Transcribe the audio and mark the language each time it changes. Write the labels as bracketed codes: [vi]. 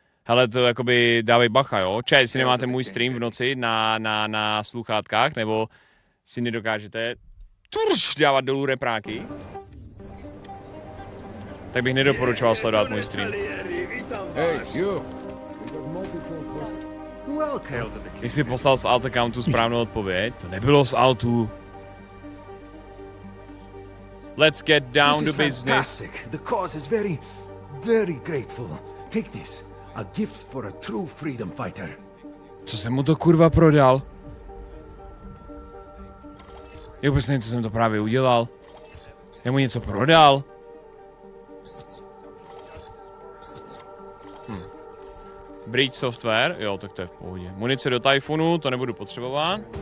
[cs] Hele, to jakoby dávej bacha, jo? Čet, jestli nemáte můj stream v noci na sluchátkách, nebo si nedokážete turš dávat dolů repráky, tak bych nedoporučoval sledovat můj stream. Když jsi poslal z Alt accountu správnou odpověď, to nebylo z Altu. [en] Let's get down to business. This is fantastic. The cause is very, very grateful. Take this. A gift for a true freedom fighter. [cs] Co jsem mu to kurva prodal? Já vůbec nevím, co jsem to právě udělal. Já mu něco prodal. Breach software, jo, tak to je v pohodě. Munice do Typhoonu, to nebudu potřebovat.